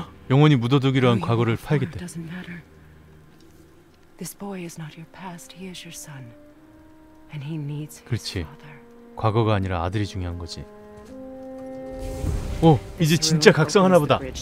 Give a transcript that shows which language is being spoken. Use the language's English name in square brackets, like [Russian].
[Korean] 영원히 묻어두기로 한 과거를 파야겠대. [English] This boy is not your past, he is your son. And he needs. [Korean] 그렇지. 과거가 아니라 아들이 중요한 거지. 오, 이제 진짜 각성하나 보다.